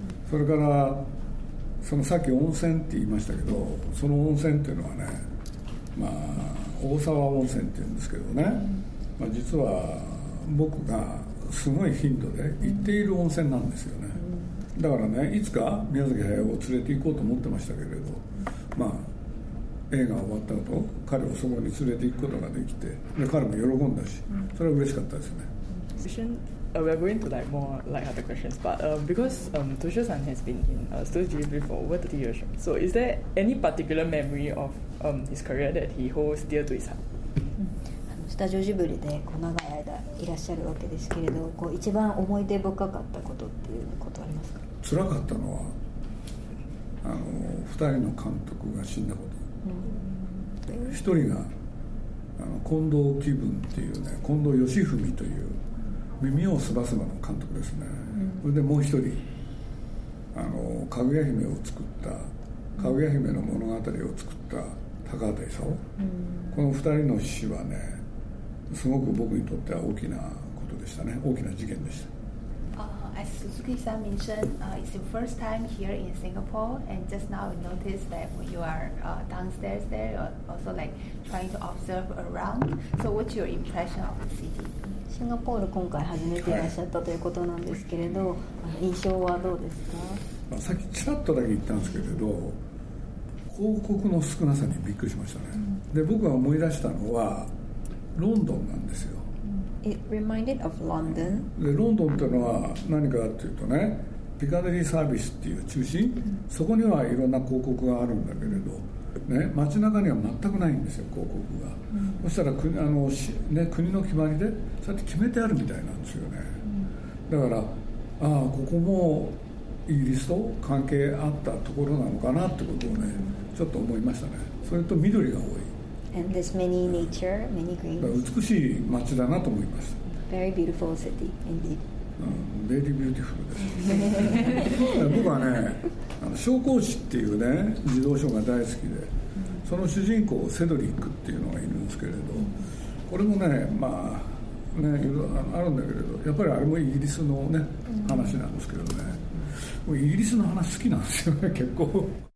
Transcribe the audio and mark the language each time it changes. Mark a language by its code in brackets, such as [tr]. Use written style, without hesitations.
[ja] それからそのさっき温泉って言いましたけど、その温泉っていうのはね、まあ大沢温泉っていうんですけどね、まあ、実は僕がすごい頻度で行っている温泉なんですよね。だからね、いつか宮崎駿を連れて行こうと思ってましたけれど、まあ映画終わった後彼をそこに連れて行くことができて、で彼も喜んだし、それは嬉しかったですね。 [en] We are going to like more lighthearted questions, but because Toshio-san has been in Studio Ghibli for over 30 years, so is there any particular memory of his career that he holds dear to his heart? [ja] スタジオジブリでこう長い間いらっしゃるわけですけれど、こう一番思い出深かったことっていうことありますか？辛かったのは、あの二人の監督が死んだこと。一人が近藤喜文っていうね、近藤義文という耳をすばすばの監督ですね。それでもう一人、あのかぐや姫を作った、かぐや姫の物語を作った高畑勲、この二人の死はね、すごく僕にとっては大きなことでしたね、大きな事件でした。 I [en] As Suzuki-san mentioned, it's your first time here in Singapore, and just now we noticed that you are downstairs there, also like trying to observe around. So what's your impression of the city? [ja] シンガポール今回初めていらっしゃったということなんですけれど、印象はどうですか？さっきちらっとだけ言ったんですけれど、広告の少なさにびっくりしましたね。で、僕が思い出したのはロンドンなんですよ。 [en] It reminded of London. [ja] で、ロンドンってのは何かっていうとね、ピカデリーサービスっていう中心、そこにはいろんな広告があるんだけれど、ね、街中には全くないんですよ、広告が。そしたら 国の決まりでそうやって決めてあるみたいなんですよね。だから、ああここもイギリスと関係あったところなのかなってことをね、ちょっと思いましたね。それと緑が多い。 [en] And there's many nature, many greens. [ja] 美しい街だなと思いました。 [en] Very beautiful city, indeed. Very beautiful です。 [ja] 僕はね、商工誌っていうね、児童書が大好きで、その主人公セドリックっていうのがいるんですけれど、これもね、まあね、いろいろあるんだけれど、やっぱりあれもイギリスのね、話なんですけどね。もうイギリスの話好きなんですよね、結構。